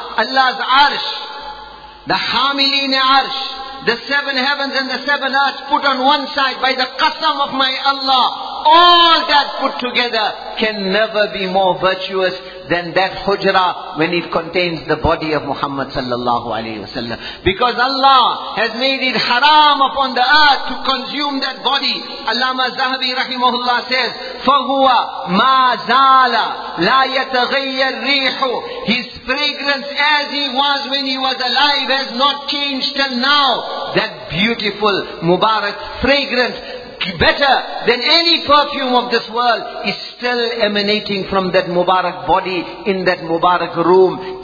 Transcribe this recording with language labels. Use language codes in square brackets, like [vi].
[en] Allah's Arsh, the حَامِلِينِ Arsh, the seven heavens and the seven earths put on one side by the qasam of my Allah, all that put together can never be more virtuous than that hujra when it contains the body of Muhammad sallallahu alayhi wa sallam. Because Allah has made it haram upon the earth to consume that body. Allama Zahabi rahimahullah says, [ar] فَهُوَ مَا زَالَ لَا يَتَغَيَّ الرِّيحُ. [en] His fragrance as he was when he was alive has not changed till now. That beautiful, mubarak fragrance, better than any perfume of this world, is still emanating from that Mubarak body in that Mubarak room.